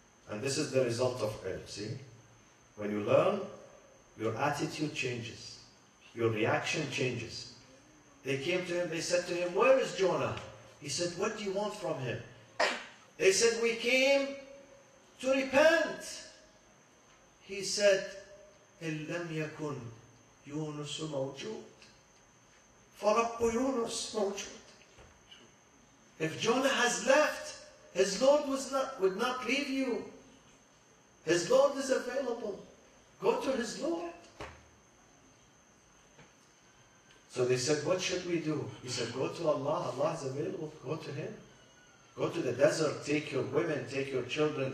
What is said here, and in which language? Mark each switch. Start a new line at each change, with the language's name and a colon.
English: And this is the result of it, see? When you learn, your attitude changes. Your reaction changes. They came to him, they said to him, where is Jonah? He said, what do you want from him? They said, we came to repent. He said,
Arabic: إِلَّمْ يَكُنْ يُونُسُ مَوْجُودٌ. فرب يونس موجود.
English: If Jonah has left, his Lord would not leave you. His Lord is available. Go to his Lord. So they said, what should we do? He said, go to Allah. Allah is available. Go to him. Go to the desert. Take your women. Take your children.